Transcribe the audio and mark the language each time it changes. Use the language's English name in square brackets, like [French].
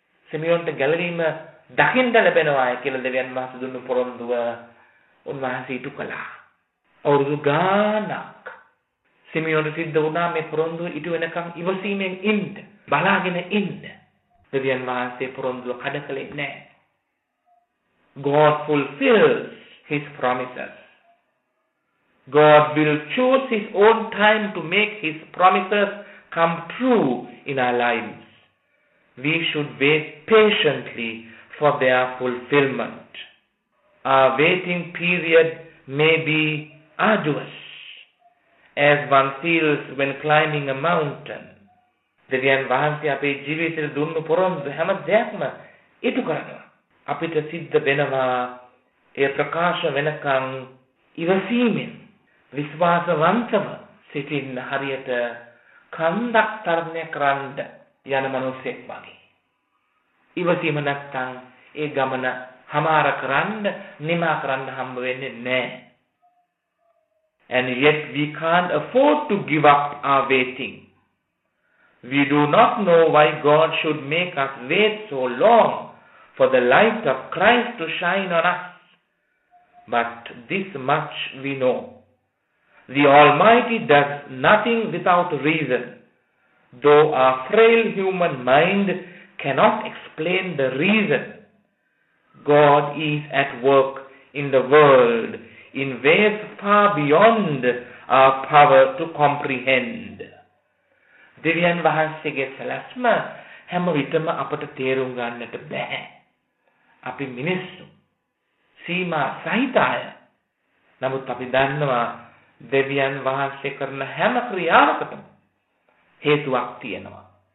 [Sinhala] සිමියොන්ට ගැලවීම දකින්න ලැබෙනවා කියලා දෙවියන් වහන්සේ දුන්නු පොරොන්දුව උන්වහන්සේ ඉටු කළා. අවුරුදු ගානක් සිමියොන්ට සිද්ධ වුණා මේ පොරොන්දුව ඉටු වෙනකම් ඉවසීමෙන් ඉන්න, බලාගෙන ඉන්න. දෙවියන් වහන්සේ පොරොන්දුව කඩ කළේ නැහැ. [English] God fulfills his promises. God will choose his own time to make his promises come true in our lives. We should wait patiently for their fulfillment. Our waiting period may be arduous, as one feels when climbing a mountain. [Sinhala] දෙවියන් වහන්සේ අපේ ජීවිතේ දුන්නු පොරොන්දු හැම දෙයක්ම ඉටු කරනවා. අපිට සිද්ධ වෙනවා ඒ ප්‍රකාශ වෙනකන් ඉවසීමෙන් විශ්වාසවන්තව සිටින්න. හරියට කන්දක් තරණය කරන්න යන මනුස්සයෙක් වගේ ඉවසීම නැත්තං ඒ ගමන හමාර කරන්න, නිමා කරන්න හම්බ වෙන්නේ නැහැ. [English] And yet we can't afford to give up our waiting. We do not know why God should make us wait so long for the light of Christ to shine on us. But this much we know. The Almighty does nothing without reason, though our frail human mind cannot explain the reason. God is at work in the world in ways far beyond our power to comprehend. [Sinhala] දෙවියන් වහන්සේගේ සැලැස්ම හැම විටම අපට තේරුම් ගන්නට බෑ. අපි මිනිස්සු සීමා සහිත අය. නමුත් අපි දන්නවා දෙවියන් වහන්සේ කරන හැම ක්‍රියාවකටම හේතුවක් තියෙනවා.